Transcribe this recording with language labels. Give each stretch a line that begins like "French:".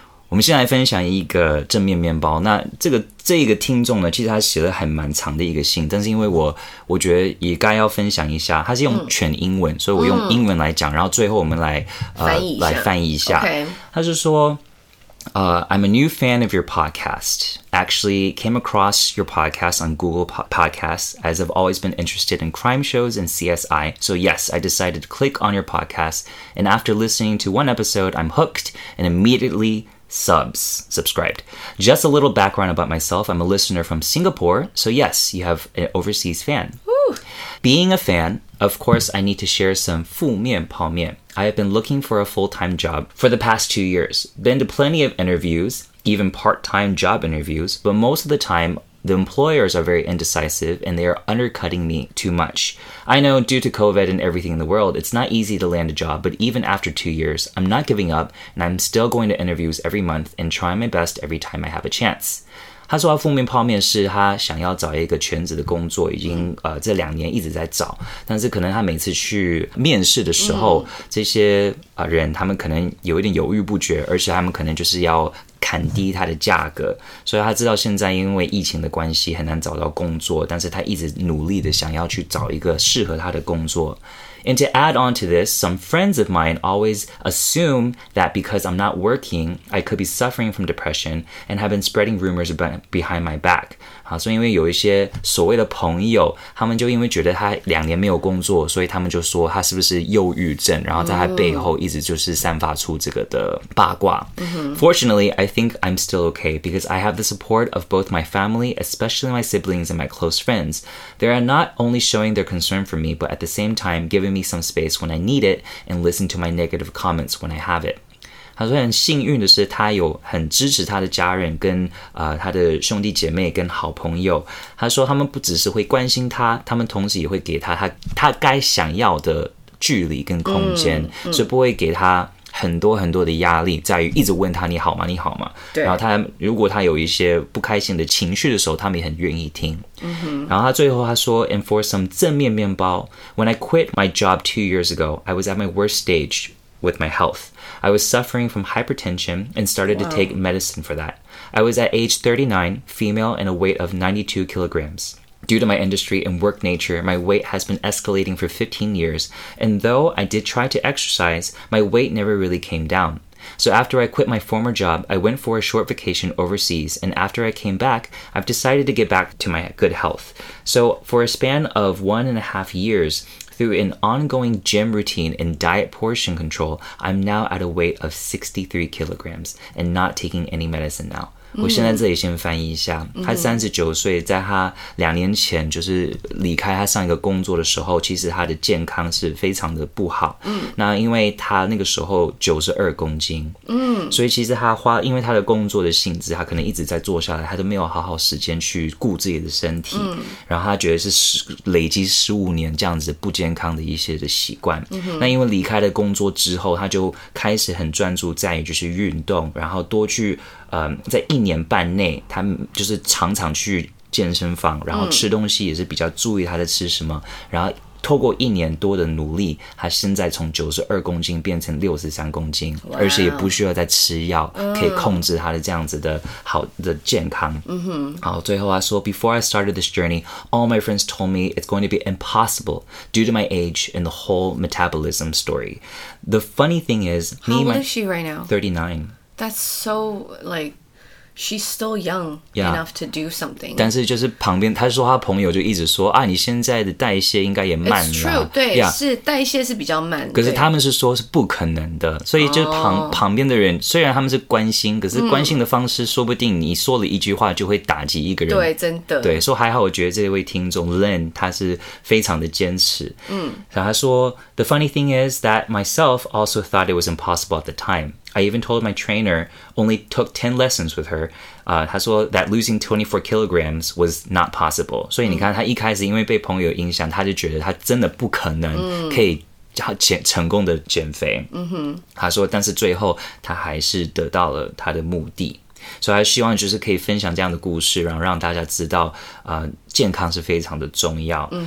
Chinese: 我们先来分享一个正面面包。那这个听众呢，其实他写了还蛮长的一个信，但是因为我觉得也该要分享一下，他是用全英文，所以我用英文来讲，然后最后我们来翻译一下。
English: Okay.
Chinese: 他是说
English: I'm a new fan of your podcast. Actually, came across your podcast on Google Podcasts, as I've always been interested in crime shows and CSI. So yes, I decided to click on your podcast, and after listening to one episode, I'm hooked and immediately. Subscribed. Just a little background about myself. I'm a listener from Singapore, so yes, you have an overseas fan. Woo! Being a fan, of course, I need to share some 负面泡面. I have been looking for a full-time job for the past 2 years. Been to plenty of interviews, even part-time job interviews, but most of the time, the employers are very indecisive and they are undercutting me too much. I know due to COVID and everything in the world, it's not easy to land a job, but even after 2 years, I'm not giving up and I'm still going to interviews every month and trying my best every time I have a chance.
Chinese: 他说他负面泡面是他想要找一个全职的工作，已经这两年一直在找，但是可能他每次去面试的时候，这些人他们可能有一点犹豫不决，而且他们可能就是要砍低它的价格，所以他知道现在因为疫情的关系很难找到工作，但是他一直努力的想要去找一个适合他的工作。
English: And to add on to this, some friends of mine always assume that because I'm not working, I could be suffering from depression and have been spreading rumors behind my back.
Chinese: 好，所以因为有一些所谓的朋友，他们就因为觉得他两年没有工作，所以他们就说他是不是忧郁症，然后在他背后一直就是散发出这个的八卦。
English: Fortunately, I think I'm still okay because I have the support of both my family, especially my siblings and my close friends. They are not only showing their concern for me, but at the same time, giving me some space when I need it and listen to my negative comments when I have it.
Chinese: 他说很幸运的是他有很支持他的家人跟他的兄弟姐妹跟好朋友。他说他们不只是会关心他，他们同时也会给他该想要的距离跟空间，所以不会给他很多很多的压力，在于一直问他你好吗你好吗。对，然后他如果他有一些不开心的情绪的时候，他们也很愿意听。嗯，然后他最后他说
English: and for some 正面面包， when I quit my job 2 years ago, I was at my worst stage with my health. I was suffering from hypertension and started to take medicine for that. I was at age 39, female, and a weight of 92 kilograms. Due to my industry and work nature, my weight has been escalating for 15 years, and though I did try to exercise, my weight never really came down. So after I quit my former job, I went for a short vacation overseas, and after I came back, I've decided to get back to my good health. So for a span of 1.5 years, through an ongoing gym routine and diet portion control, I'm now at a weight of 63 kilograms and not taking any medicine now.
Chinese: 我现在这里先翻译一下，他39岁，在他两年前就是离开他上一个工作的时候，其实他的健康是非常的不好。那因为他那个时候92公斤，所以其实因为他的工作的性质，他可能一直在坐下来，他都没有好好时间去顾自己的身体，然后他觉得是累积15年这样子不健康的一些的习惯。那因为离开了工作之后，他就开始很专注在于就是运动，然后多去在一年半内，他就是常常去健身房，然后吃东西也是比较注意他在吃什么，然后透过一年多的努力，他现在从92公斤变成63公斤，而且也不需要再吃药，可以控制他的这样子的好的健康。好，最后他说
English: Before I started this journey, all my friends told me it's going to be impossible due to my age and the whole metabolism story. The funny thing is, how old is she right now? 39. That's so, like, She's still young enough to do something.
Chinese: 但是就是旁边，他说他朋友就一直说啊，你现在的代谢应该也慢了。
English: It's true，
Chinese: 对，
English: yeah.
Chinese: 是代谢是比较慢。可是他们是说是不可能的，所以就旁边的人，虽然他们是关心，可是关心的方式，说不定你说了一句话就会打击一个人。对，真的。对，所以还好，我觉得这位听众 Len 他是非常的坚持。嗯，然后他说
English: ，The funny thing is that myself also thought it was impossible at the time. I even told my trainer only took 10 lessons with her.
Chinese: 他说
English: that losing 24 kilograms was not possible.
Chinese: 所以你看他一开始因为被朋友影响，他就觉得他真的不可能可以成功的减肥。他说但是最后他还是得到了他的目的。所以他希望就是可以分享这样的故事，然后让大家知道健康是非常的重要。